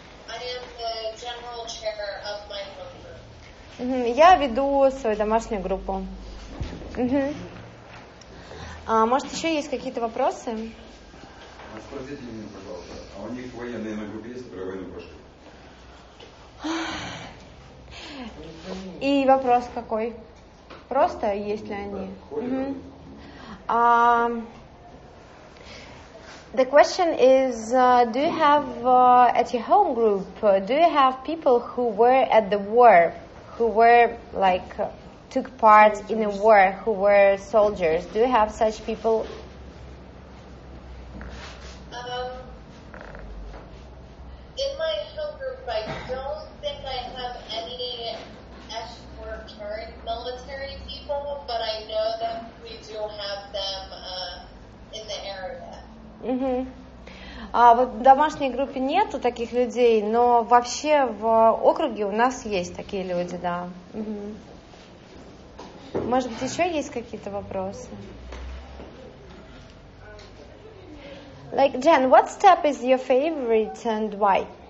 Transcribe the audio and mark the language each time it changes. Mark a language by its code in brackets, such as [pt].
[en] I am the general chair of my home group. [ru] Я веду свою домашнюю группу. А может, еще есть какие-то вопросы? Спросите меня, пожалуйста, а у них военные на группе есть, которые войну прошли? И вопрос какой? Просто есть ли они? [en] The question is, do you have at your home group, do you have people who were at the war, who were like, took part in a war, who were soldiers? Do you have such people? In my home group, I don't think I have any current military people, but I know that we do have them in the area. Mm-hmm. [ru] А вот в домашней группе нету таких людей, но вообще в округе у нас есть такие люди, да. Угу. Может быть, еще есть какие-то вопросы? [en] Like, Jen, what step is your favorite and why?